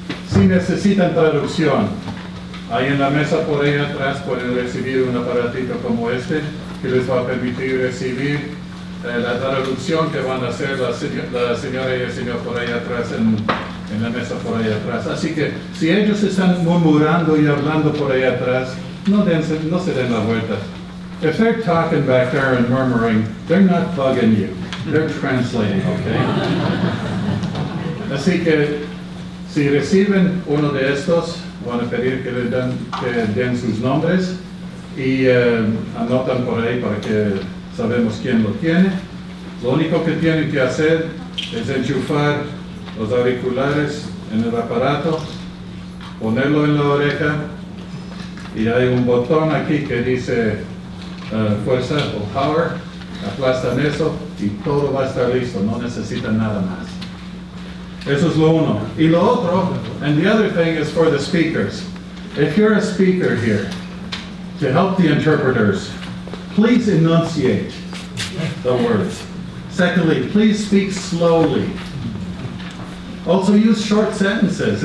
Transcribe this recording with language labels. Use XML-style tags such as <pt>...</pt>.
<es>Si necesitan traducción, ahí en la mesa por ahí atrás pueden recibir un aparatito como este que les va a permitir recibir la traducción que van a hacer la señora y el señor por ahí atrás en la mesa por ahí atrás. Así que si ellos están murmurando y hablando por ahí atrás, no se den la vuelta.</es> <en>If they're talking back there and murmuring, they're not bugging you. They're translating, okay?</en> <es>Así que si reciben uno de estos, van a pedir que les den sus nombres y anotan por ahí para que sabemos quién lo tiene. Lo único que tienen que hacer es enchufar los auriculares en el aparato, ponerlo en la oreja y hay un botón aquí que dice fuerza o power. Aplastan eso y todo va a estar listo. No necesitan nada más. Eso es lo uno. Y lo otro,</es> <en>and the other thing is for the speakers. If you're a speaker here, to help the interpreters, please enunciate the words. Secondly, please speak slowly. Also, use short sentences.</en>